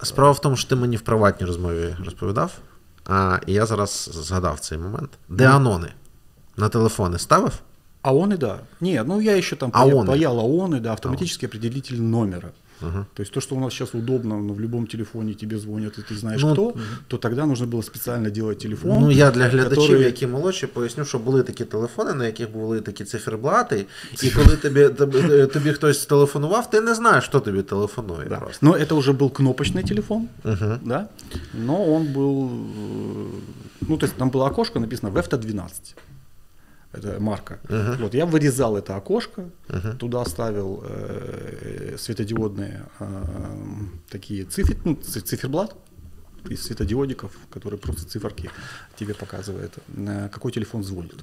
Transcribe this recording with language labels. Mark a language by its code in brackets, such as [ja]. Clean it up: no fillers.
[ru] Справа в том, что ты мне в приватной разговоре рассказывал, и [uk] я зараз згадав цей момент. [ru] Деанони. На телефоны ставив? Аоны, да. Нет, ну я еще там паял аоны, да, автоматический аоны. Определитель номера. Угу. То есть то, что у нас сейчас удобно, но в любом телефоне тебе звонят, и ты знаешь, ну, кто, то тогда нужно было специально делать телефон. Ну, я для глядачів, который... [uk] які молодші, поясню, що були такі телефони, на яких були такі циферблати, і коли тобі хтось телефонував, ти не знаєш, хто тобі телефонує. Да. Ну, це вже був кнопочний телефон, да? [ru] Но он был... ну, то есть там було окошко написано «Вефта-12». Это марка. Uh-huh. Вот, я вырезал это окошко, туда ставил светодиодные такие циферблат из светодиодиков, которые просто циферки тебе показывают, какой телефон звонит.